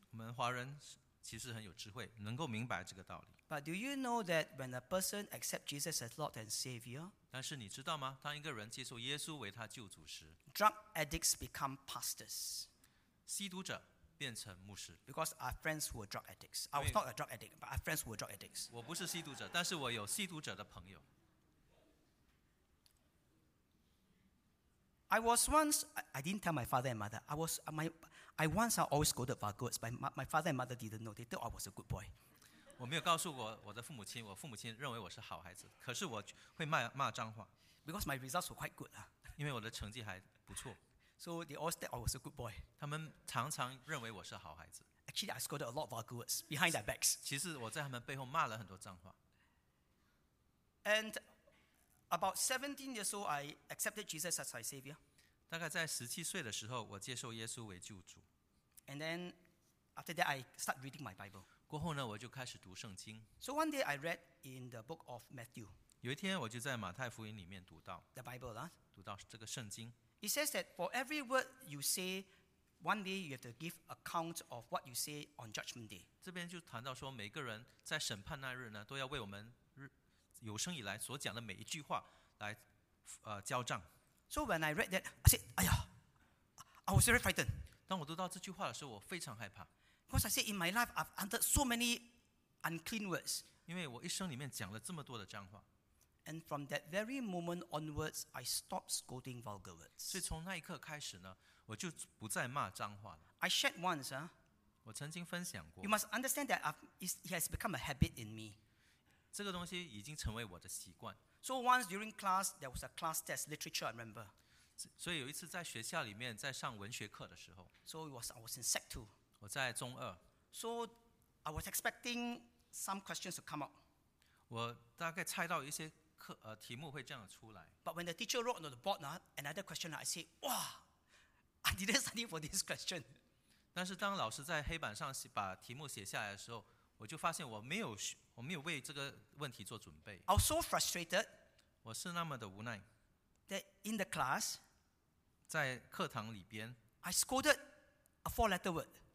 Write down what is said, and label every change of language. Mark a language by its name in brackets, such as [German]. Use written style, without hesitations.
[Chinese] 我们华人其实很有智慧，能够明白这个道理。 [English] But do you know that when a person accepts Jesus as Lord and Savior? [Chinese] 但是你知道吗？当一个人接受耶稣为他救主时 [English] ，drug addicts become pastors. [Chinese] 吸毒者变成牧师。 [English] Because I have friends who are drug addicts. I was not a drug addict, but I have friends who are drug addicts. [Chinese] 我不是吸毒者，但是我有吸毒者的朋友。 [English] I once always scolded for good, but my father and mother didn't know. They thought I was a good boy. [Chinese] 我没有告诉过我的父母亲，我父母亲认为我是好孩子，可是我会 骂脏话。 [English] Because my results were quite good. [Chinese] 因为我的成绩还不错。 [English] So they always thought I was a good boy. [Chinese] 他们常常认为我是好孩子。 [English] Actually, I scolded a lot of vulgar words behind their backs. [Chinese] 其实我在他们背后骂了很多脏话。 [English] And about 17 years old, I accepted Jesus as my savior. [Chinese] 大概在十七岁的时候，我接受耶稣为救主。 [English] And then after that, I start reading my Bible. [Chinese] 过后呢，我就开始读圣经。 [English] So one day, I read in the book of Matthew. [Chinese] 有一天，我就在马太福音里面读到 [English] the Bible 啦， [Chinese] 读到这个圣经。 [English] It says that for every word you say, one day you have to give account of what you say on Judgment Day. [Chinese] 这边就谈到说，每个人在审判那日呢，都要为我们有生以来所讲的每一句话来交账。 [English] So when I read that, I said, 哎呀 I was very frightened. [Chinese] 当我读到这句话的时候，我非常害怕。 [English] Because I said, in my life, I've uttered so many unclean words. [Chinese] 因为我一生里面讲了这么多的脏话。 [English] And from that very moment onwards, I stopped scolding vulgar words. [Chinese] 所以从那一刻开始呢，我就不再骂脏话了。 [English] I shared once, huh? [Chinese] 我曾经分享过。 [English] You must understand that it has become a habit in me. [Chinese] 这个东西已经成为我的习惯。 [English] So once during class, there was a class test, literature, I remember. [Chinese] 所以有一次在学校里面，在上文学课的时候。 [English] So I was in sec 2. [Chinese] 我在中二。 [English] So I was expecting some questions to come up. [Chinese] 我大概猜到一些题目会这样出来。 [English] But when the teacher wrote on the board, another question, I say, wow, I didn't study for this question. [Chinese] 但是当老师在黑板上把题目写下来的时候，我就发现我没有为这个问题做准备。 [English] I was so frustrated. [Chinese] 我是那么的无奈。 [English] That in the class, [Chinese] 在课堂里边 [English] I scolded a four-letter word.